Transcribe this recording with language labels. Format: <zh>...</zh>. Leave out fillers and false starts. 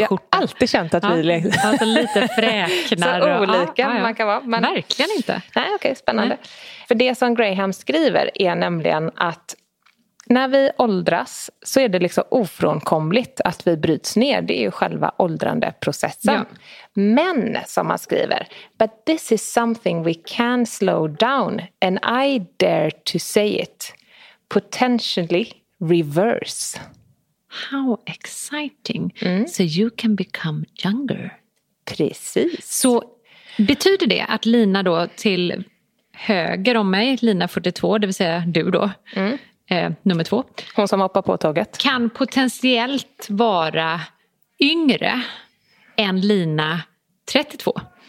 <sv>Jag har alltid känt att vi är alltså lite fräknar. Så olika man kan vara. Men... verkligen inte. Nej, okej, spännande. Nej. För det som Graham skriver är nämligen att när vi åldras så är det liksom ofrånkomligt att vi bryts ner. Det är ju själva åldrandeprocessen. Ja. Men, som man skriver,</sv> <en>but this is something we can slow down and I dare to say it, potentially reverse. How exciting. Mm. So you can become younger.</en> <sv>Precis. Så betyder det att Lina då till höger om mig, Lina 42, det vill säga du då, nummer två. Hon som hoppar på tåget. Kan potentiellt vara yngre än Lina 32.</sv>